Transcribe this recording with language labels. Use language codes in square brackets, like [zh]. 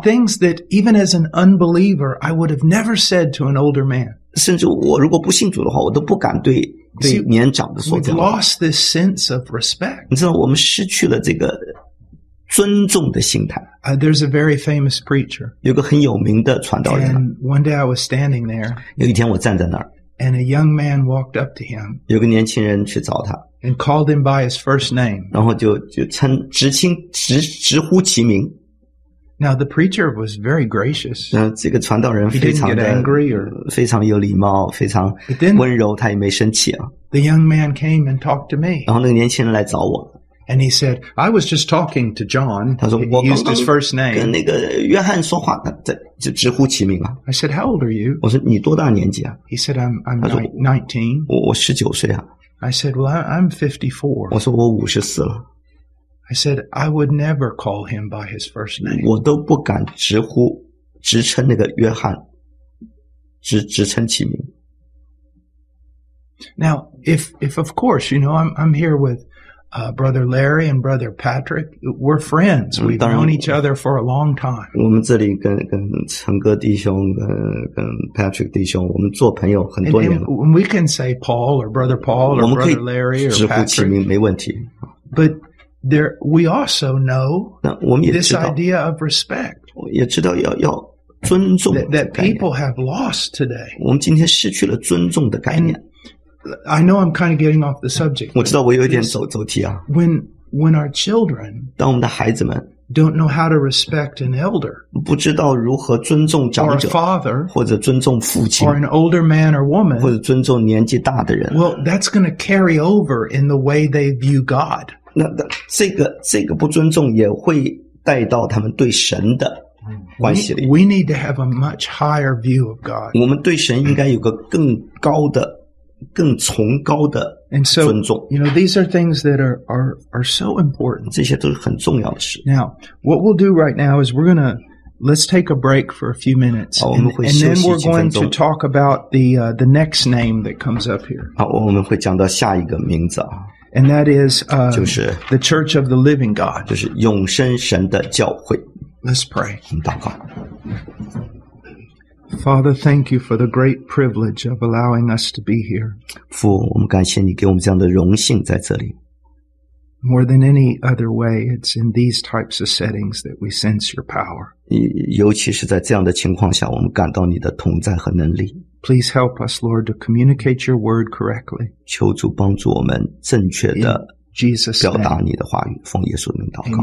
[en] Things that even as an unbeliever, I would have never said to an older man. [zh] 甚至我如果不信主的话，我都不敢对。对年长的说教。 [en] We've lost this sense of respect. [zh] 你知道我们失去了这个尊重的心态。 [en] There's a very famous preacher. [zh] 有个很有名的传道人。 [en] And one day I was standing there. [zh] 有一天我站在那儿。 [en] And a young man walked up to him. [zh] 有个年轻人去找他。 [en] And called him by his first name. [zh] 然后就称直亲直直呼其名。 [en] Now the preacher was very gracious. [zh] 这个传道人非常的 [en] angry or [zh] 非常有礼貌，非常温柔，他也没生气啊。 [en] The young man came and talked to me. [zh] 然后那个年轻人来找我。 [en] And he said, "I was just talking to John." [zh] 他说我刚刚跟那个约翰说话，他就直呼其名了。 [en] I said, "How old are you?" [zh] 我说你多大年纪啊 [en] ？He said, "I'm 19." [zh] 我19岁啊。 [en] I said, "Well, I'm 54." [zh] 我说我54了。 [en] I said, I would never call him by his first name. [zh] 我都不敢直呼直称那个约翰直称其名。 [en] Now, if of course, you know, I'm here with Brother Larry and Brother Patrick. We're friends. We've known each other for a long time. [zh] 我们这里跟陈哥弟兄跟 Patrick 弟兄我们做朋友很多年了。 [en] And we can say Paul or Brother Paul or Brother Larry or Patrick. [zh] 我们可以直呼其名没问题。 [en] But,There, we also know [zh] 那我们也知道 [en] this idea of respect. [zh] 我也知道要尊重的概念 [en] that people have lost today. [zh] 我们今天失去了尊重的概念 [en] And I know I'm kind of getting off the subject. [zh] 我知道我有一点走题啊 [en] When our children [zh] 当我们的孩子们 [en] don't know how to respect an elder [zh] 不知道如何尊重长者 [en] or a father [zh] 或者尊重父亲 [en] or an older man or woman [zh] 或者尊重年纪大的人 [en] well, that's going to carry over in the way they view God. [zh] 那这个不尊重也会带到他们对神的关系里。 [en] We need to have a much higher view of God. [zh] 我们对神应该有个更高的、更崇高的尊重。 [en] And so, you know, these are things that are so important. [zh] 这些都是很重要的事。 [en] Now, what we'll do right now is we're gonna let's take a break for a few minutes. [zh] 好，我们会休息几分钟。 [en] And then we're going to talk about the next name that comes up here. [zh] 好，我们会讲到下一个名字啊。 [en] And that is、 [zh] 就是、 [en] the Church of the Living God. [zh] 就是永生神的教会。 [en] Let's pray. [zh] 我们祷告。 [en] Father, thank you for the great privilege of allowing us to be here. [zh] 父，我们感谢你给我们这样的荣幸在这里。 [en] More than any other way, it's in these types of settings that we sense your power. [zh] 尤其是在这样的情况下，我们感到你的同在和能力。 [en] Please help us, Lord, to communicate your word correctly. [zh] 求主帮助我们正确的表达你的话语。奉耶稣的名祷告。